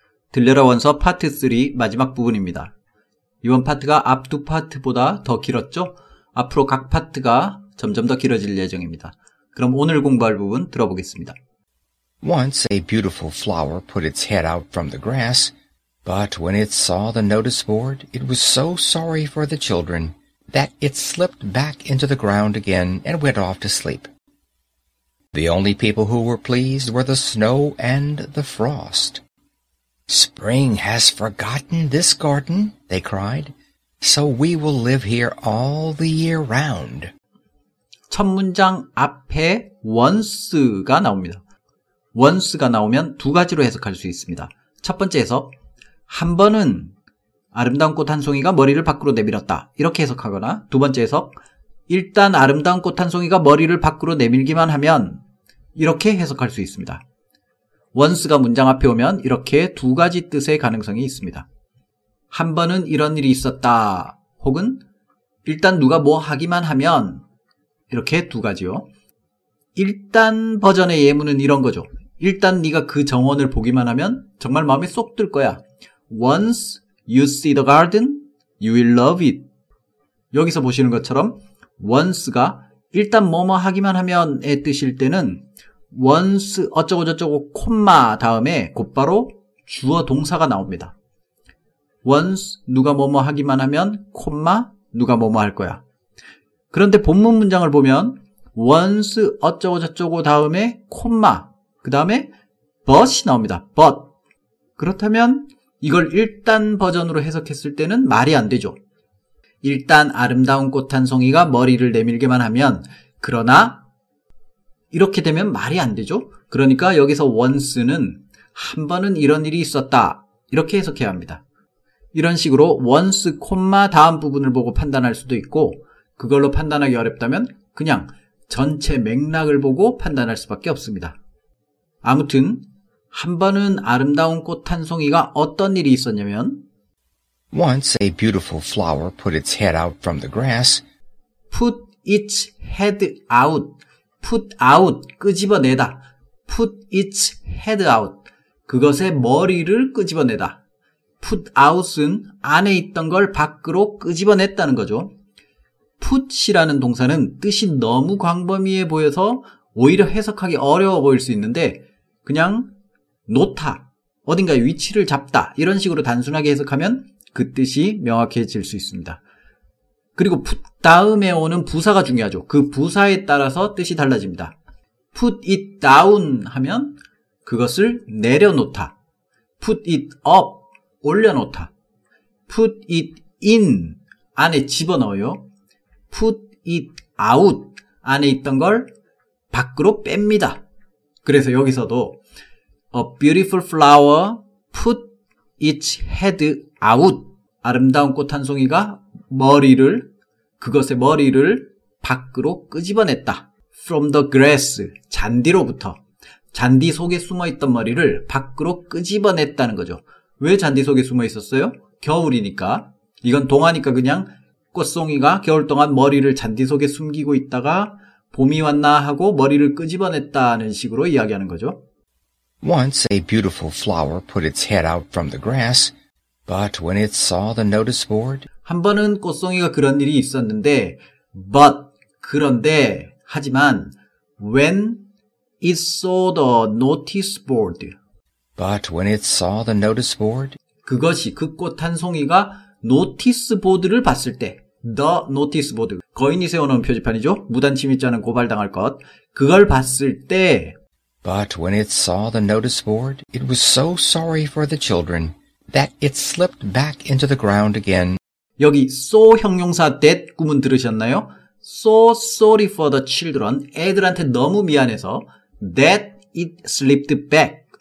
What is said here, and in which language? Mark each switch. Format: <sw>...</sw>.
<ko>들려라 원서 파트 3 마지막 부분입니다. 이번 파트가 앞두 파트보다 더 길었죠? 앞으로 각 파트가 점점 더 길어질 예정입니다. 그럼 오늘 공부할 부분 들어보겠습니다.</ko> <en>Once a beautiful flower put its head out from the grass, but when it saw the notice board, it was so sorry for the children that it slipped back into the ground again and went off to sleep. The only people who were pleased were the snow and the frost. Spring has forgotten this garden, they cried, so we will live here all the year round.</en> <ko>첫 문장 앞에 once가 나옵니다. once가 나오면 두 가지로 해석할 수 있습니다. 첫 번째 해석, 한 번은 아름다운 꽃 한 송이가 머리를 밖으로 내밀었다. 이렇게 해석하거나 두 번째 해석, 일단 아름다운 꽃 한 송이가 머리를 밖으로 내밀기만 하면 이렇게 해석할 수 있습니다. once가 문장 앞에 오면 이렇게 두 가지 뜻의 가능성이 있습니다. 한 번은 이런 일이 있었다. 혹은 일단 누가 뭐 하기만 하면 이렇게 두 가지요. 일단 버전의 예문은 이런 거죠. 일단 네가 그 정원을 보기만 하면 정말 마음에 쏙 들 거야.</ko> <en>Once you see the garden, you will love it.</en> <ko>여기서 보시는 것처럼 once가 일단 뭐뭐 하기만 하면의 뜻일 때는 once 어쩌고 저쩌고 콤마 다음에 곧바로 주어 동사가 나옵니다. Once 누가 뭐뭐 하기만 하면 콤마 누가 뭐뭐 할 거야. 그런데 본문 문장을 보면 once 어쩌고 저쩌고 다음에 콤마 그 다음에 but이 나옵니다. but 그렇다면 이걸 일단 버전으로 해석했을 때는 말이 안 되죠. 일단 아름다운 꽃 한 송이가 머리를 내밀기만 하면 그러나 이렇게 되면 말이 안 되죠. 그러니까 여기서 once는 한 번은 이런 일이 있었다 이렇게 해석해야 합니다. 이런 식으로 once, 콤마 다음 부분을 보고 판단할 수도 있고 그걸로 판단하기 어렵다면 그냥 전체 맥락을 보고 판단할 수밖에 없습니다. 아무튼 한 번은 아름다운 꽃 한 송이가 어떤 일이 있었냐면</ko> <en>Once a beautiful flower put its head out from the grass. Put its head out. Put out,</en> <ko>끄집어내다.</ko> <en>Put its head out,</en> <ko>그것의 머리를 끄집어내다. Put out은 안에 있던 걸 밖으로 끄집어냈다는 거죠. Put이라는 동사는 뜻이 너무 광범위해 보여서 오히려 해석하기 어려워 보일 수 있는데 그냥 놓다, 어딘가에 위치를 잡다 이런 식으로 단순하게 해석하면 그 뜻이 명확해질 수 있습니다. 그리고 put 다음에 오는 부사가 중요하죠. 그 부사에 따라서 뜻이 달라집니다.</ko> <en>Put it down</en> <ko>하면 그것을 내려놓다.</ko> <en>Put it up</en> <ko>올려놓다.</ko> <en>Put it in</en> <ko>안에 집어넣어요.</ko> <en>Put it out</en> <ko>안에 있던 걸 밖으로 뺍니다. 그래서 여기서도</ko> <en>A beautiful flower put its head out.</en> <ko>아름다운 꽃 한 송이가 머리를 그것의 머리를 밖으로 끄집어냈다.</ko> <en>From the grass,</en> <ko>잔디로부터. 잔디 속에 숨어있던 머리를 밖으로 끄집어냈다는 거죠. 왜 잔디 속에 숨어있었어요? 겨울이니까. 이건 동화니까 그냥 꽃송이가 겨울 동안 머리를 잔디 속에 숨기고 있다가 봄이 왔나 하고 머리를 끄집어냈다는 식으로 이야기하는 거죠.</ko> <en>Once a beautiful flower put its head out from the grass, but when it saw the notice board,</en> <ko>한 번은 꽃송이가 그런 일이 있었는데 but 그런데 하지만</ko> <en>when it saw the notice board but when it saw the notice board</en> <ko>그것이 그 꽃 한 송이가 notice board를 봤을 때 the notice board 거인이 세워놓은 표지판이죠. 무단침입자는 고발당할 것 그걸 봤을 때</ko> <en>but when it saw the notice board it was so sorry for the children that it slipped back into the ground again</en> <ko>여기 so 형용사 that 구문 들으셨나요?</ko> <en>So sorry for the children.</en> <ko>애들한테 너무 미안해서</ko> <en>that it slipped back.</en>